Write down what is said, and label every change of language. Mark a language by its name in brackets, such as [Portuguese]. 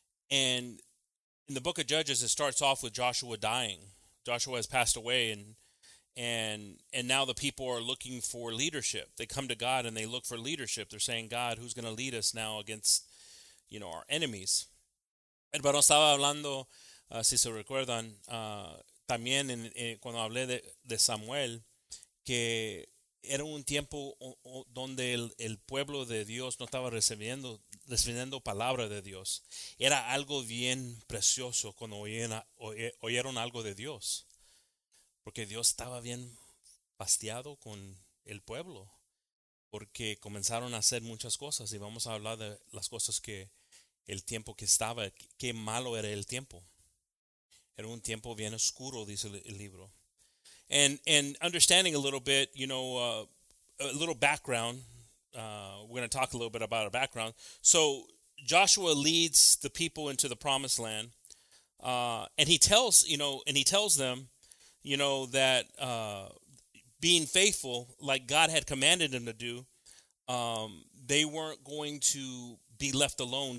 [English] And in the book of Judges, it starts off with Joshua dying. Joshua has passed away, and now the people are looking for leadership. They come to God and they look for leadership. They're saying, God, who's going to lead us now against, you know, our enemies? [Spanish] Hermano, estaba hablando, si se recuerdan, también cuando hablé de Samuel, que era un tiempo donde el pueblo de Dios no estaba recibiendo palabra de Dios. Era algo bien precioso cuando oyeron algo de Dios. Porque Dios estaba bien fastidiado con el pueblo. Porque comenzaron a hacer muchas cosas. Y vamos a hablar de las cosas que el tiempo que estaba, qué malo era el tiempo. Era un tiempo bien oscuro, dice el libro. [English] And understanding a little bit, you know, a little background. We're going to talk a little bit about our background. So Joshua leads the people into the promised land. And he tells them, you know, that being faithful, like God had commanded them to do, they weren't going to be left alone.